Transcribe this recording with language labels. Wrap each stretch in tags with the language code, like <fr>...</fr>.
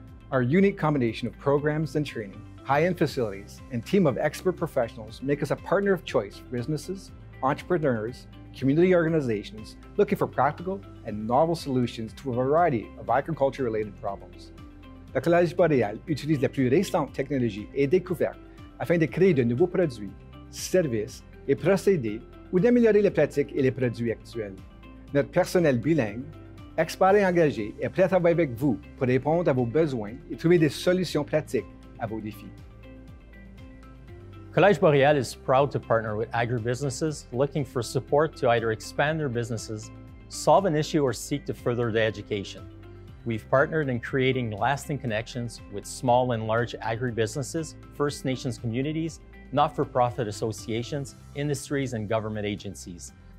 <en>Our unique combination of programs and training, high-end facilities, and team of expert professionals make us a partner of choice for businesses, entrepreneurs, community organizations looking for practical and novel solutions to a variety of agriculture-related problems.</en> <fr>Le Collège Boréal utilise les plus récentes technologies et découvertes afin de créer de nouveaux produits, services et procédés ou d'améliorer les pratiques et les produits actuels. Notre personnel bilingue, expert et engagé est prêt à travailler avec vous pour répondre à vos besoins et trouver des solutions pratiques à vos défis.</fr> <en>Collège Boréal is proud to partner with agribusinesses looking for support to either expand their businesses, solve an issue, or seek to further their education. We've partnered in creating lasting connections with small and large agribusinesses, First Nations communities, not-for-profit associations, industries, and government agencies.</en>